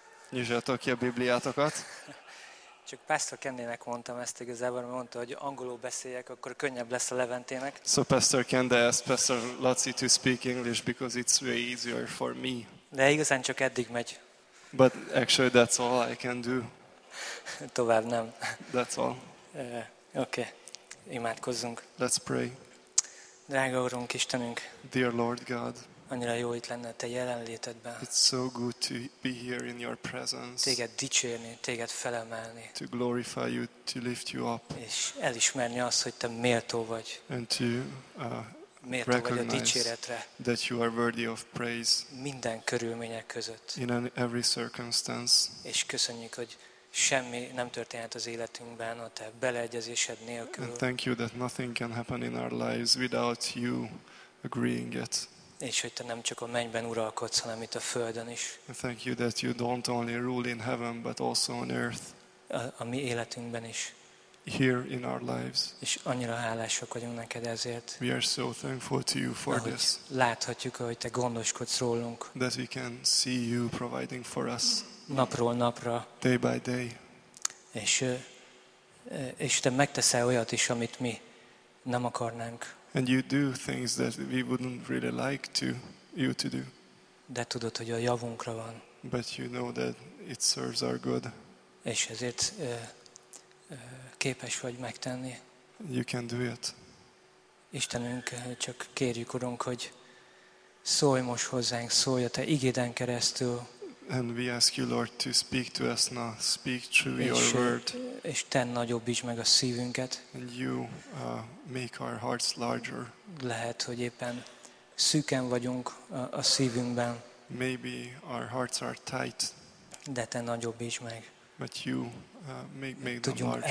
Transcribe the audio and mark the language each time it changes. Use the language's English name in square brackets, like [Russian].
[Hungarian] Nyissátok ki a Bibliátokat. Csak Pastor Kendinek mondtam ezt igazából, mert mondta, hogy angolul beszéljek, akkor könnyebb lesz a Leventének. [English] So Pastor Kende asked Pastor Lotzi to speak English because it's way easier for me. [Hungarian] De igazán csak eddig megy. [English] But actually that's all I can do. [Hungarian] Tovább nem. [English] That's all. [Hungarian] Okay. Imádkozzunk. [English] Let's pray. [Hungarian] Drága Urunk, Istenünk. [English] Dear Lord God. [Hungarian] Annyira jó itt lenne a te jelenlétedben. [English] It's so good to be here in your presence. [Hungarian] Téged dicsérni, téged felemelni. [English] To glorify you, to lift you up. [Hungarian] És elismerni azt, hogy te méltó vagy. [English] And to recognize that you are worthy of praise. [Hungarian] Minden körülmények között. [English] In every circumstance. [Hungarian] És köszönjük, hogy semmi nem történhet az életünkben a te beleegyezésed nélkül. [English] And thank you that nothing can happen in our lives without you agreeing it. [Hungarian] És hogy te nem csak a mennyben uralkodsz, hanem itt a földön is. [English] And thank you that you don't only rule in heaven but also on earth. [Hungarian] A mi életünkben is. [English] Here in our lives. [Hungarian] És annyira hálásak vagyunk neked ezért. [English] We are so thankful to you for this. [Hungarian] Láthatjuk, hogy te gondoskodsz rólunk. [English] That we can see you providing for us. [Hungarian] Napról napra. [English] Day by day. [Hungarian] És te megteszel olyat is, amit mi nem akarnánk. [English] And you do things that we wouldn't really like to you to do. [Hungarian] De tudod, hogy a javunkra van. [English] But you know that it serves our good. [Hungarian] És ezért képes vagy megtenni. [English] You can do it. [Hungarian] Istenünk, csak kérjük, Urunk, hogy szólj most hozzánk, szólj a te igéden keresztül. [English] And we ask you, Lord, to speak to us now, speak through your word. [Hungarian] És tedd nagyobbítsd meg a szívünket. [English] And you make our hearts larger. [Hungarian] Lehet, hogy éppen szűken vagyunk a szívünkben. [English] Maybe our hearts are tight. [Hungarian] De te nagyobbítsd meg. [English] But you make them larger.